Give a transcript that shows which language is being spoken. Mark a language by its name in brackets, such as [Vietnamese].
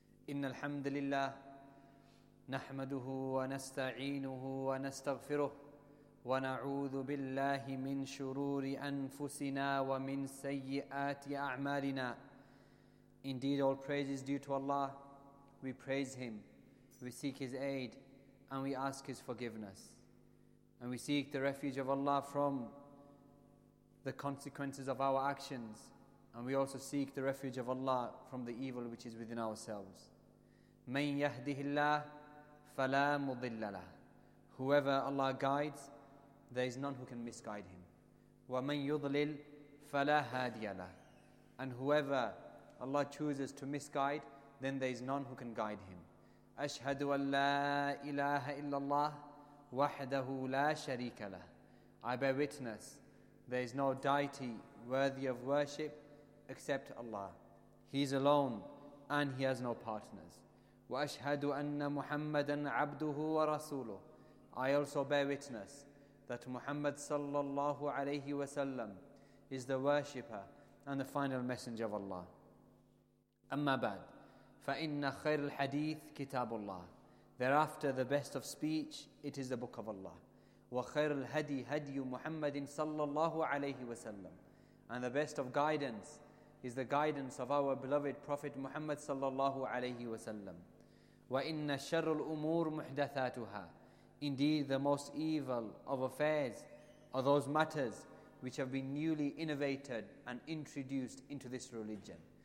[Arabic] إن الحمد لله نحمده ونستعينه ونستغفره ونعوذ بالله من شرور أنفسنا ومن سيئات أعمالنا. [English] Indeed, all praise is due to Allah. We praise Him, we seek His aid, and we ask His forgiveness. And we seek the refuge of Allah from the consequences of our actions. And we also seek the refuge of Allah from the evil which is within ourselves. [Arabic] مَنْ يَهْدِهِ اللَّهِ فَلَا مُضِلَّ لَهِ. [English] Whoever Allah guides, there is none who can misguide him. [Arabic] وَمَنْ يُضْلِلْ فَلَا هَادِيَ لَهِ. [English] And whoever Allah chooses to misguide, then there is none who can guide him. [Arabic] أَشْهَدُ أَنْ لَا إِلَهَ إِلَّا اللَّهِ وَحْدَهُ لَا شَرِيكَ لَهِ. [English] I bear witness, there is no deity worthy of worship except Allah. He is alone and He has no partners. [Arabic] وأشهد أن محمدا عبده ورسوله. [English] I also bear witness that Muhammad [Arabic] صلى الله عليه وسلم [English] is the worshipper and the final messenger of Allah. [Arabic] أما بعد فإن خير الحديث كتاب الله. [English] Thereafter, the best of speech, it is the book of Allah. [Arabic] وخير الهدي هدي محمد صلى الله عليه وسلم. [English] And the best of guidance is the guidance of our beloved Prophet Muhammad [Arabic] صلى الله عليه وسلم. وَإِنَّ شَرُّ الْأُمُورِ مُحْدَثَاتُهَا. [English] Indeed, the most evil of affairs are those matters which have been newly innovated and introduced into this religion.